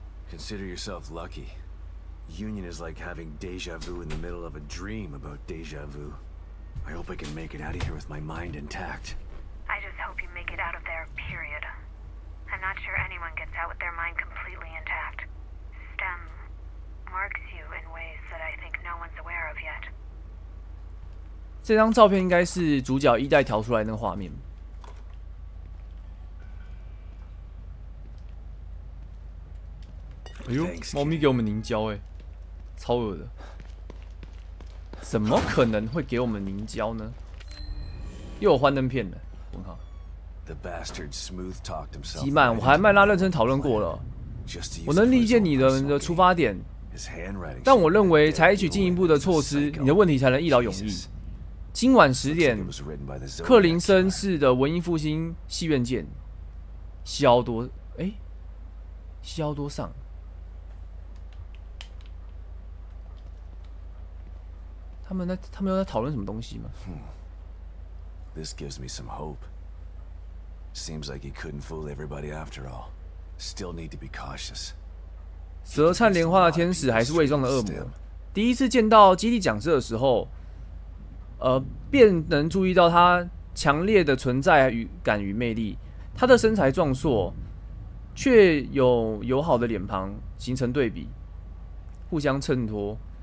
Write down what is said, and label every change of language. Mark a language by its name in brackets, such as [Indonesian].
[English] Consider yourself lucky. Union is like having deja vu in the middle of a dream about deja vu. I hope I can make it out of here with my mind intact. I just hope you make it out of there, period. I'm not sure anyone gets out with their mind completely intact. STEM marks you in ways that I think no one's aware of yet. [Chinese] 这张照片应该是主角一代逃出来的那个画面。哎呦，猫咪给我们凝胶欸，超恶的。怎么可能会给我们凝胶呢？又有幻灯片了，问号。 [English] The bastard smooth talked himself. [Chinese] 吉曼，我还麦拉认真讨论过了。我能理解你的出发点，但我认为采取进一步的措施，你的问题才能一劳永逸。今晚十点，克林森市的文艺复兴戏院见。西奥多上。他们又在讨论什么东西吗？ [English] This gives me some hope. Seems like he couldn't fool everybody after all. Still need to be cautious. [Chinese] 舌灿莲花的天使还是伪装的恶魔。第一次见到基地讲师的时候，便能注意到他强烈的存在感与魅力。他的身材壮硕，却有友好的脸庞，形成对比，互相衬托。